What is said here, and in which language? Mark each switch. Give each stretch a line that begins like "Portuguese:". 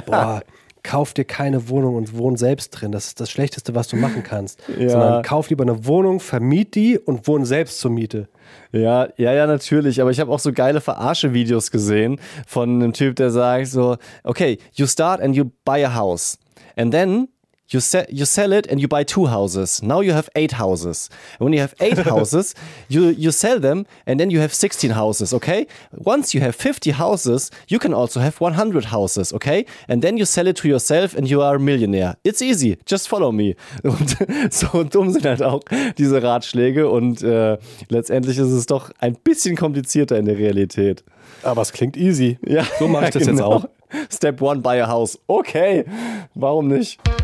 German: Boah, kauf dir keine Wohnung und wohn selbst drin. Das ist das Schlechteste, was du machen kannst. Ja. Sondern kauf lieber eine Wohnung, vermiet die und wohn selbst zur Miete. Ja, ja, ja, natürlich. Aber ich habe auch so geile Verarsche-Videos gesehen von einem Typ, der sagt so,
English: okay, you start and you buy a house. And then you sell it and you buy two houses. Now you have 8 houses. And when you have 8 houses, you sell them and then you have 16 houses, okay? Once you have 50 houses, you can also have 100 houses, okay? And then you sell it to yourself and you are a millionaire. It's easy. Just follow me.
German: Und so dumm sind halt auch diese Ratschläge. Und letztendlich ist es doch ein bisschen komplizierter in der Realität. Aber es klingt easy. Ja, so mache ich das genau. Jetzt auch.
English: Step 1, buy a house. Okay,
German: warum nicht?